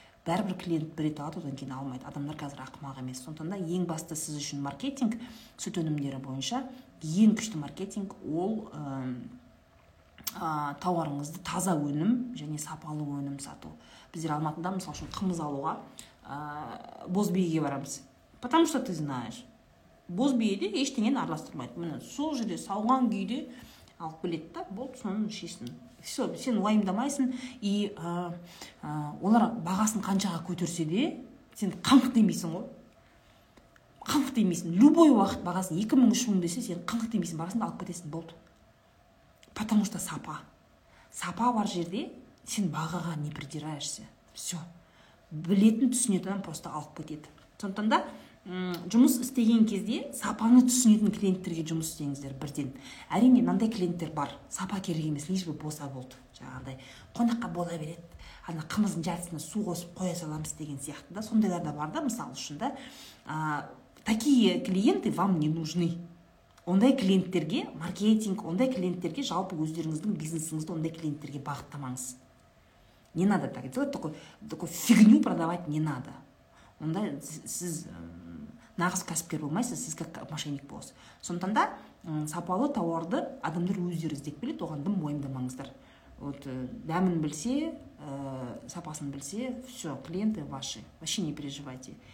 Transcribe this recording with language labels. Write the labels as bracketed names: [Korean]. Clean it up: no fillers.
[Kazakh] Бәрібір клиент бір рет алады, одан кейін алмайды. Адамдар қазір ақымақ емес. Сондықтан да ең басты сіз үшін маркетинг, сүт өнімдері бойынша ең күшті маркетинг ол тауарыңызды таза өнім және сапалы өнім сату. Біздер Алматыда мысалы үшін қымыз алуға Бозбиеге барамыз. [Russian] Потому что ты знаешь, [Kazakh] Бозбиеде ештеңені араластырмайды. Міне, сол жерде сауған күйде алып келеді да, болды, соны ішесің. Все, сен уайымдамайсың и олар бағасын қаншаға көтерсе де, сен қаңқ демейсің ғой. Қаңқ демейсің. Любой уақыт бағасын 2000, 3000 десе, сен қаңқ демейсің, бағасын алып кетесің, болды. [Russian] Потому что [Kazakh] сапа. Сапа бар жерде сен бағаға [Russian] не придираешься. [Kazakh] Все. Білетін түсінетін просто алып кетеді. Сондықтан да жұмыс істеген кезде сапаны түсінетін клиенттерге жұмыс істеңіздер бірден. Әрине, мынандай клиенттер бар. Сапа керек емес, лишь боса болды. Жаңағыдай қонаққа бола береді. Ана қымыздың жартысына су қосып қоя саламыз деген сияқты да. Сондайлар да бар да, мысалы үшін да. [Russian] Такие клиенты вам не нужны. [Kazakh] Ондай клиенттерге маркетинг, ондай клиенттерге жалпы өздеріңіздің бизнесіңізді ондай клиенттерге бағыттамаңыз. [Russian] Не надо так делать, такой фигню продавать не надо. [Kazakh] Ондай сіз нағыз кәсіпкер болмайсыз, сіз [Russian] как мошенник [Kazakh] боласыз. Сондықтан да сапалы тауарды адамдар өздері іздеп келеді, оған дым мойындамаңыздар. [Russian] Вот [Kazakh] дәмін білсе, сапасын білсе, [Russian] все, клиенты ваши. Вообще не переживайте.